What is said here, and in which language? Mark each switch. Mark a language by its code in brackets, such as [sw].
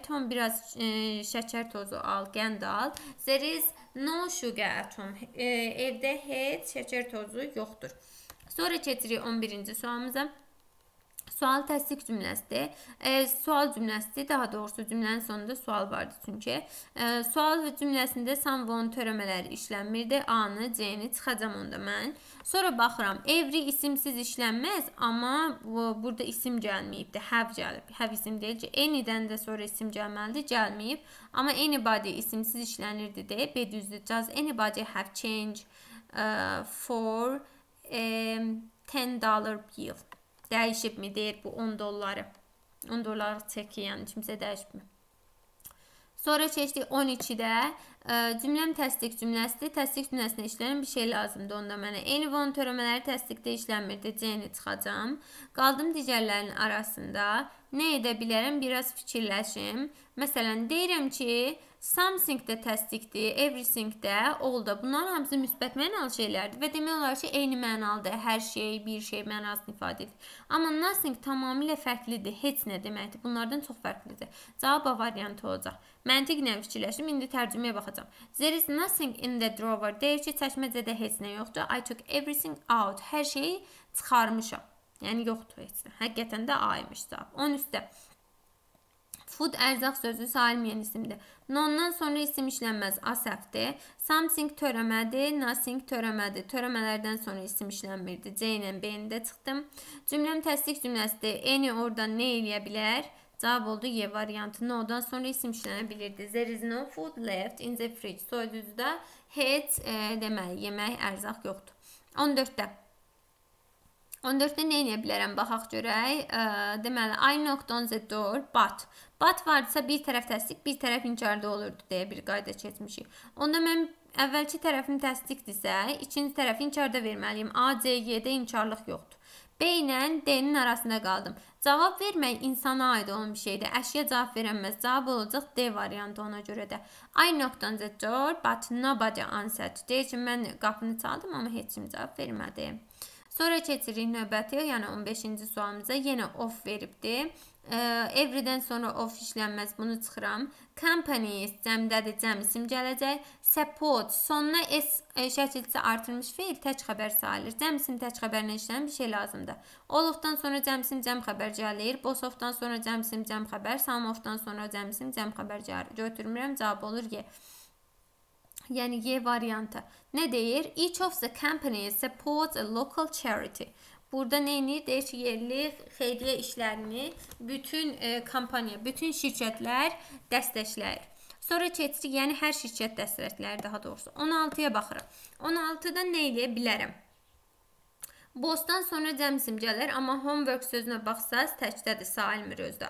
[az] Tom biraz şəkər tozu al, qənd al. [en] There is no sugar at home. [az] Evdə heç şəkər tozu yoxdur. Sonra keçirik 11-ci sualımıza. Sual təsdiq cümləsidir. Sual cümləsidir. Daha doğrusu cümlənin sonunda sual vardı çünki. Sual cümləsində some voluntary-lər işlənmirdi. A-nı, C-ni çıxacam onda mən. Sonra baxıram. Every isimsiz işlənməz, amma burada isim gəlməyibdi. Have gəlib. Have isim deyil. Any-dən də sonra isim gəlməlidir. Gəlməyib. Amma anybody isimsiz işlənirdi deyə. B düzdür. [en] Does anybody have change for $10 bill? [az] Dəyişib mi? Deyir bu 10 dolları. 10 dolları çəkir, yəni kimsə dəyişib mi? Sonra keçdik 12-də. Cümləm təsdiq cümləsidir. Təsdiq cümləsində işlənən bir şey lazımdır. Onda mənə any voluntary-ləri təsdiqdə işlənmirdi. C-ni çıxacam. Qaldım digərlərinin arasında. Nə edə bilərəm? Biraz fikirləşim. Məsələn, deyirəm ki, something də təsdiqdir, everything də, all da. Bunlar hamısı müsbət mənalı şeylərdir və demək olar ki, eyni mənalıdır. Hər şey, bir şey mənasını ifadə edir. Amma nothing tamamilə fərqlidir. Heç nə deməkdir. Bunlardan çox fərqlidir. Cavab A variantı olacaq. Məntiqlə fikirləşim. İndi tərcüməyə baxacağam. [en] There is nothing in the drawer. [az] Deyir ki, çəkməcədə heç nə yoxdur. [en] I took everything out. [az] Hər şeyi çıxarmışam. Yəni, yoxdur heç nə. Həqiqətən də A-ymış cavab. Onun üstə. Food ərzaq sözü sayılmayan isimdir. Non-dan sonra isim işlənməz. A səhvdir. Something törəmədi, nothing törəmədi. Törəmələrdən sonra isim işlənmirdi. C ilə B-ni də çıxdım. Cümləm təsdiq cümləsidir. Any orada nə eləyə bilər? Cavab oldu Y variantı. No-dan sonra isim işlənə bilirdi. [en] There is no food left in the fridge. [az] Soyduzdə heç deməli yemək ərzaq yoxdur. 14-də. 14-də nə eləyə bilərəm? Baxaq görək. [en] Deməli, I knocked on the door, but. [az] But varsa bir tərəf təsdiq, bir tərəf inkarda olurdu deyə bir qayda keçmişik. Onda mən əvvəlki tərəfim təsdiqdirsə, ikinci tərəfi inkarda verməliyim. A, C, Y-də inkarlıq yoxdur. B ilə D-nin arasında qaldım. Cavab vermək insana aid olan bir şeydir. Əşya cavab verənməz. Cavab olacaq D variantı ona görə də. [en] I knocked on the door, but nobody answered. [az] Deyir ki, mən qapını çaldım, amma heç kim cavab vermədi. Sonra keçirik növbəti, yəni 15-ci sualımıza. Yenə of veribdi. Every-dən sonra of işlənməz, bunu çıxıram. Company is, cəmdədir, cəm isim gələcək. Support, sonuna S şəkildisi artırmış fiil, tək xəbər sayılır. Cəm isim tək xəbərlə işlənən bir şey lazımdır. All of-dan sonra cəm isim cəm xəbər gəlir. Boss of-dan sonra cəm isim cəm xəbər. Some of-dan sonra cəm isim cəm xəbər gəlir. Götürmürəm, cavab olur ki. Yəni, Y variantı. Nə deyir? [en] Each of the companies supports a local charity. [az] Burada neyini? Deyir ki, yerli xeyriyyə işlərini bütün kampaniya, bütün şirkətlər dəstəkləyir. Sonra keçirik, yəni hər şirkət dəstəkləyir daha doğrusu. 16-ya baxıram. 16-da nə eləyə bilərəm? Boss-dan sonra cəm isim gələr, amma homework sözünə baxsaz, təkdədir, sayılmır özdə.